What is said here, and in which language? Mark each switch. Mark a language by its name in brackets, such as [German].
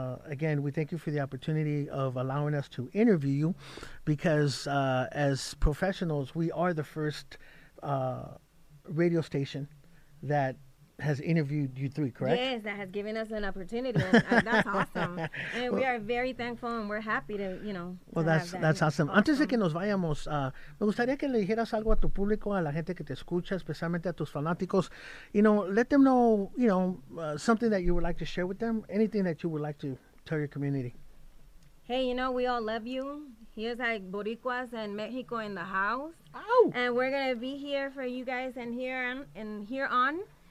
[English] Again, we thank you for the opportunity of allowing us to interview you because as professionals, we are the first radio station that has interviewed you three, correct? Yes, that has given us an opportunity. That's awesome. And well, we are very thankful and we're happy to, you know. Well, that's awesome. Awesome. [Spanish] Antes de que nos vayamos, me gustaría que le dijeras algo a tu público, a la gente que te escucha, especialmente a tus fanáticos. [English] You know, let them know, you know, something that you would like to share with them, anything that you would like to tell your community. Hey, you know, we all love you. Here's like Boricuas and Mexico in the house. Oh. And we're going to be here for you guys and here on.